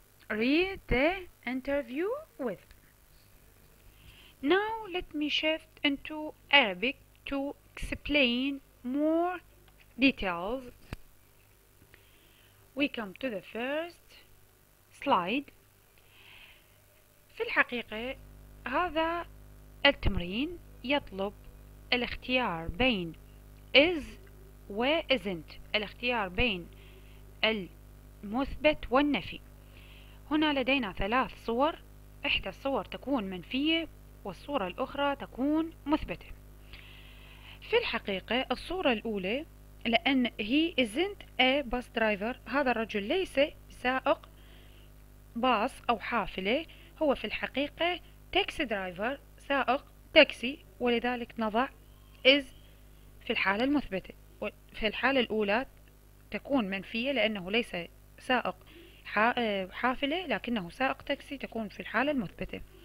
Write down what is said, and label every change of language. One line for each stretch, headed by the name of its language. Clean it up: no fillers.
English: Read the interview with. Now let me shift into Arabic to explain more details. We come to the first slide.
Arabic: في الحقيقة هذا التمرين يطلب الاختيار بين is و isn't. الاختيار بين المثبت والنفي. هنا لدينا ثلاث صور. إحدى الصور تكون منفية والصورة الأخرى تكون مثبتة. في الحقيقة الصورة الأولى لأن
English: he isn't a bus driver.
Arabic: هذا الرجل ليس سائق باص أو حافلة. هو في الحقيقة تاكسي درايفر، سائق تاكسي، ولذلك نضع is في الحالة المثبتة. في الحالة الأولى تكون منفية لأنه ليس سائق حافلة لكنه سائق تاكسي، تكون في الحالة المثبتة.